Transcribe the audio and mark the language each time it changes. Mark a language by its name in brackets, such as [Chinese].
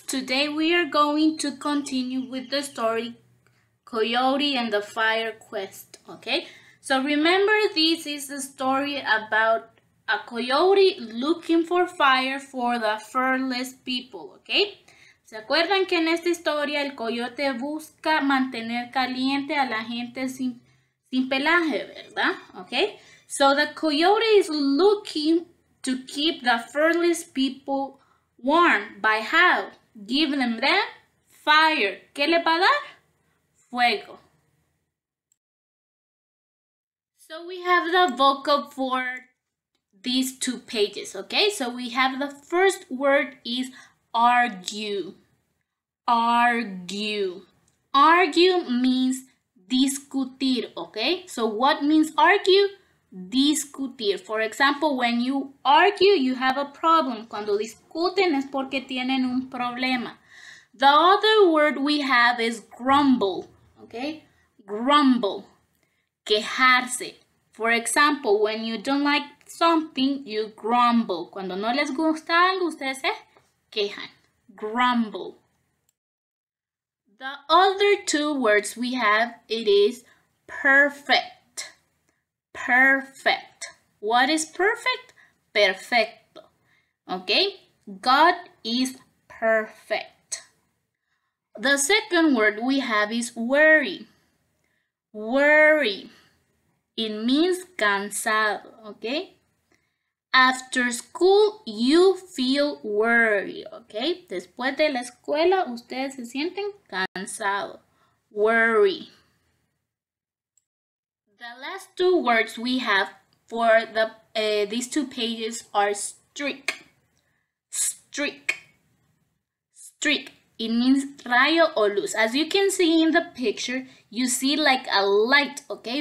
[English] Today we are going to continue with the story Coyote and the Fire Quest, okay? So remember, this is a story about a coyote looking for fire for the fearless people, okay? [Spanish] ¿Se acuerdan que en esta historia el coyote busca mantener caliente a la gente sin pelaje, verdad? [English] Okay? So the coyote is looking to keep the fearless people warm. By how? Give them fire. [Spanish] ¿Qué le va a dar? Fuego. [English] So we have the vocab for these two pages, okay? So we have the first word is argue. Argue. Argue means discutir, okay? So what means argue? Discutir. For example, when you argue, you have a problem. [Spanish] Cuando discuten es porque tienen un problema. [English] The other word we have is grumble, okay? Grumble. Quejarse. For example, when you don't like something, you grumble. [Spanish] Cuando no les gusta algo, ustedes se quejan. [English] Grumble. The other two words we have, it is perfect. Perfect. What is perfect? Perfecto. Okay? God is perfect. The second word we have is worry. Worry. It means cansado. Okay? After school, you feel worried. Okay? [Spanish] Después de la escuela, ustedes se sienten cansado. [English] Worry. The last two words we have for the these two pages are streak. Streak. Streak. It means [Spanish] rayo o luz. [English] As you can see in the picture, you see like a light, okay?